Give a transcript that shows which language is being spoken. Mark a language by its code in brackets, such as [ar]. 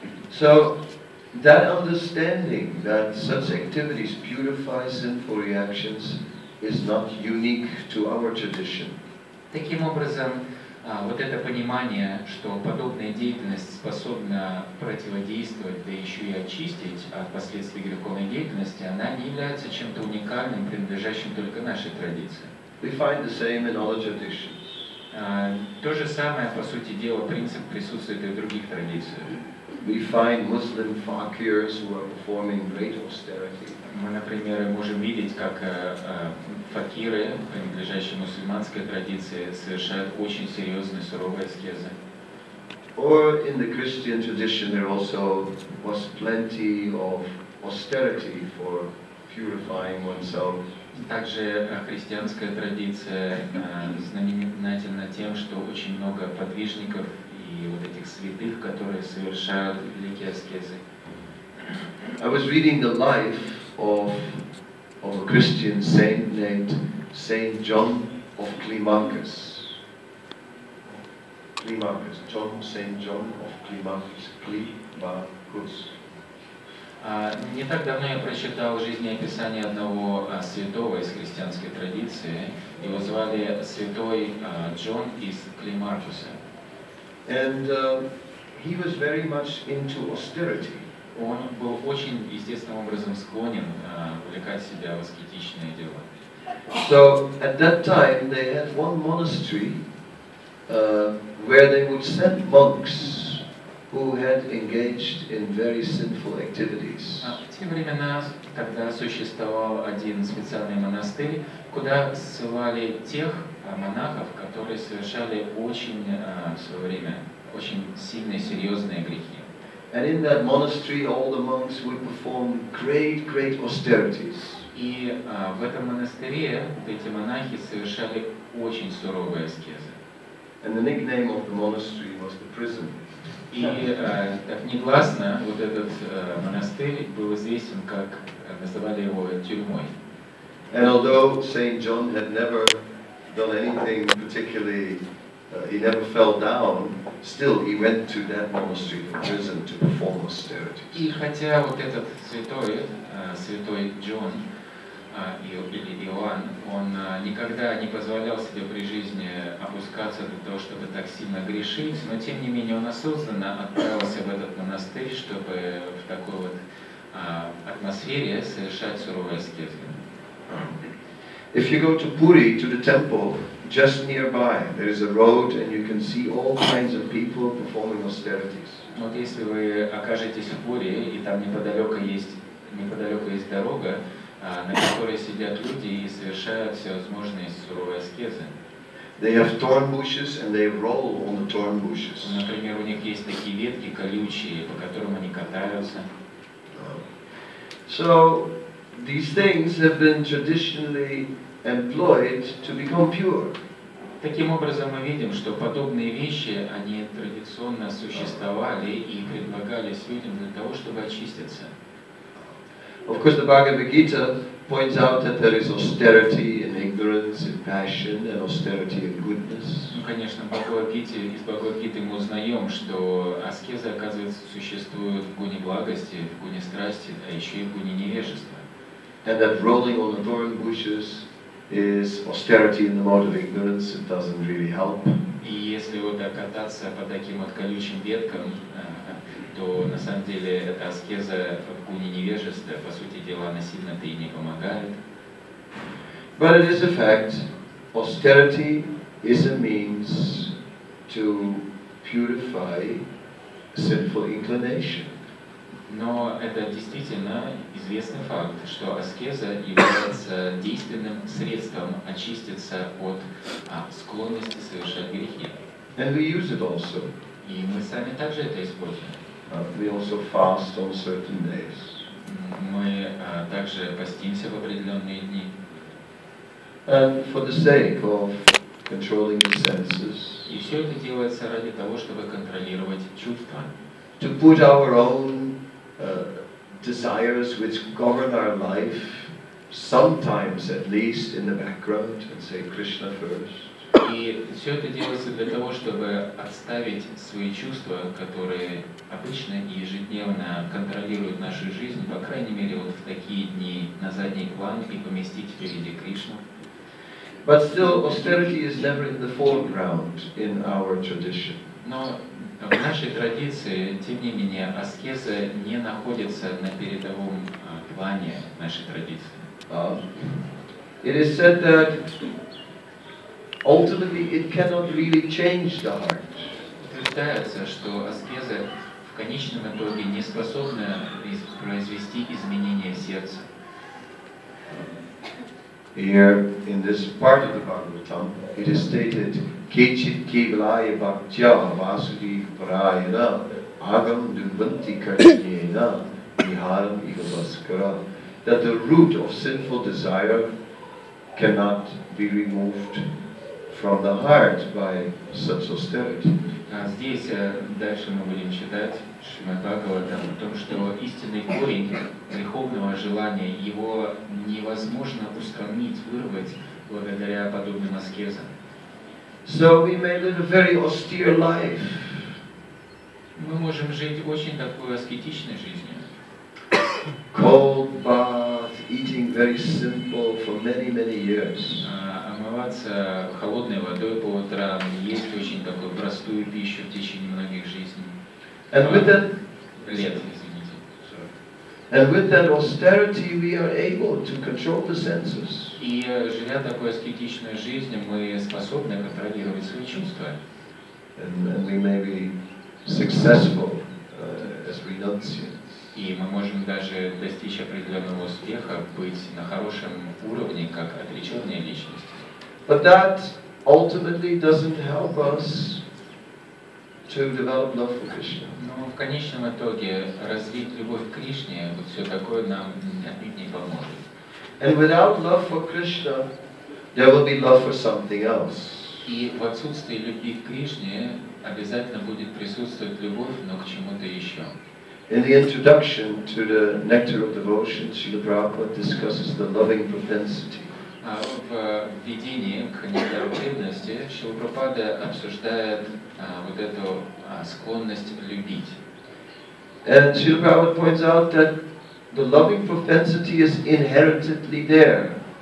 [en] So, that understanding that such activities purify sinful reactions is not unique to our tradition. [ru] Таким образом, вот это понимание, что подобная деятельность способна противодействовать, да еще и очистить от последствий греховной деятельности, она не является чем-то уникальным, принадлежащим только нашей традиции. [en] We find the same in all traditions. [ru] То же самое, по сути дела, принцип присутствует и в других традициях. [en] We find Muslim fakirs who are performing great austerity. [ru] Мы, например, можем видеть, как факиры, принадлежащие мусульманской традиции, совершают очень серьезные суровые аскезы. [en] Or in the Christian tradition there also was plenty of austerity for purifying oneself. [ru] Также христианская традиция знаменательна тем, что очень много подвижников и вот этих святых, которые совершают великие аскезы. [en] I was reading the life of a Christian saint named Saint John of Climacus. Climacus, John, Saint John of Climacus, Climacus. [ru] Не так давно я прочитал жизнеописание одного святого из христианской традиции. Его звали святой Джон из Климакуса. [en] And he was very much into austerity. [ru] Он был очень естественным образом склонен увлекать себя в аскетичные дела. [en] So at that time they had one monastery where they would send monks who had engaged in very sinful activities. [ru] В те времена, когда существовал один специальный монастырь, куда ссылали тех монахов, которые совершали очень в свое время очень сильные, серьезные грехи. [en] And in that monastery, all the monks would perform great, great austerities. [ru] И в этом монастыре эти монахи совершали очень суровые аскезы. [en] And the nickname of the monastery was the prison. [ru] И так негласно вот этот монастырь был известен как называли его тюрьмой. [en] And although Saint John had never done anything particularly, he never fell down. Still, he went to that monastery, the prison, to perform austerities. [ru] И хотя вот этот святой, святой Джон или Иоанн, он никогда не позволял себе при жизни опускаться до того, чтобы так сильно грешить, но тем не менее он осознанно отправился в этот монастырь, чтобы в такой вот атмосфере совершать суровые аскезы. [en] If you go to Puri, to the temple, just nearby, there is a road, and you can see all kinds of people performing austerities. [ru] Вот если вы окажетесь в Пури и там неподалеку есть дорога, на которой сидят люди и совершают всевозможные суровые аскезы. [en] They have thorn bushes and they roll on the thorn bushes. [ru] Например, у них есть такие ветки колючие, по которым они катаются. [en] So these things have been traditionally employed to become pure. [ru] Таким образом мы видим, что подобные вещи они традиционно существовали и предлагались людям для того, чтобы очиститься. [en] Of course, the Bhagavad Gita points out that there is austerity in ignorance, in passion, and austerity in goodness. [ru] Ну, конечно, из Бхагавад Гиты мы узнаем, что аскезы, оказывается, существуют в гуне благости, в гуне страсти, а еще и в гуне невежества. [en] And that rolling on the thorn bushes is austerity in the mode of ignorance. It doesn't really help. [ru] И если вот кататься по таким вот колючим веткам, то на самом деле эта аскеза в гуне невежества, по сути дела, она сильно-то и не помогает. [en] But it is a fact. Austerity is a means to purify sinful inclination. [ru] Но это действительно известный факт, что аскеза является действенным средством очиститься от склонности совершать грехи. [en] And we use it also. [ru] И мы сами также это используем. [en] We also fast on certain days. [ru] Мы также постимся в определенные дни. [en] And for the sake of controlling the senses. [ru] И все это делается ради того, чтобы контролировать чувства. [en] To put our own desires which govern our life, sometimes at least in the background, and say Krishna first. [ru] И все это делается для того, чтобы отставить свои чувства, которые обычно и ежедневно контролируют нашу жизнь, по крайней мере, вот в такие дни на задний план и поместить впереди Кришну. [en] But still, austerity is never in the foreground in our tradition. [ru] Но в нашей традиции, тем не менее, аскеза не находится на передовом плане нашей традиции. [en] It is said that ultimately it cannot really change the heart. [ru] Утверждается, что аскеза в конечном итоге не способны произвести изменения сердца. [en] Here in this part of the Bhagavatam, it is stated, [sa] Kechit kevalaya bhaktya vasudhiparayana agam dumbanti karyena viharam ivabhaskara, [en] that the root of sinful desire cannot be removed from the heart by such austerity. [ru] Здесь дальше мы будем читать Шримад Бхагаватам о том, что истинный корень греховного желания его невозможно устранить, вырвать благодаря подобным аскезам. [en] So we may live a very austere life. [ru] Мы можем жить очень такой аскетичной жизнью. [en] Cold bath, eating very simple for many, many years. [ru] Омываться холодной водой по утрам, есть очень такую простую пищу в течение многих жизней. [en] And with that, [ru] лет, извините. [en] And with that austerity we are able to control the senses. [ru] И живя такой аскетичной жизнью, мы способны контролировать свои чувства. [en] And we may be successful as renunciates. [ru] И мы можем даже достичь определенного успеха, быть на хорошем уровне, как отреченная личность. [en] But that ultimately doesn't help us to develop love for Krishna. [ru] Но в конечном итоге развить любовь к Кришне, вот все такое нам не поможет. [en] And without love for Krishna, there will be love for something else. [ru] И в отсутствии любви к Кришне обязательно будет присутствовать любовь, но к чему-то еще. [en] In the introduction to the Nectar of Devotion, Srila Prabhupada discusses the loving propensity. [ru] В введении к нектару преданности Шрила Прабхупада обсуждает вот эту склонность любить. [en] And Srila Prabhupada points out that the loving propensity is inherently there.